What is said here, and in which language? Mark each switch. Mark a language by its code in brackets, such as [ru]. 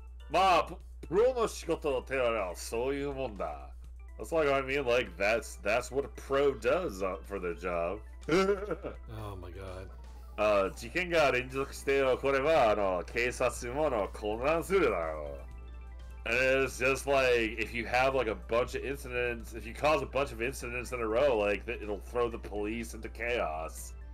[ja] まあ、プロの仕事ってのはそういうもんだ. [en] That's like, I mean, like, that's what a pro does for their job. Oh my god. [ja] 事件が連続してよ、これは、警察もの混乱するだろう。 [en] And it's just like, if you have like a bunch of incidents, if you cause a bunch of incidents in a row, like, it'll throw the police into chaos.